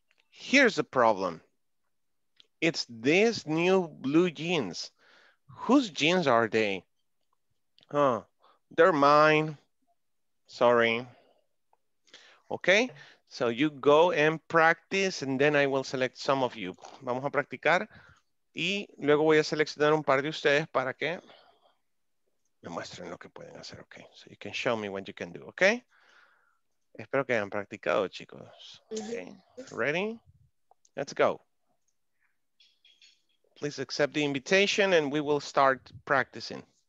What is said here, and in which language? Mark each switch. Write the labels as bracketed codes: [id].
[en] Here's the problem. It's these new blue jeans. Whose jeans are they? Huh, they're mine. Sorry. Okay, so you go and practice and then I will select some of you. [es] Vamos a practicar y luego voy a seleccionar un par de ustedes para que me muestren lo que pueden hacer, okay? [en] So you can show me what you can do, okay? [es] Espero que hayan practicado, chicos. [en] Okay, ready? Let's go. Please accept the invitation and we will start practicing.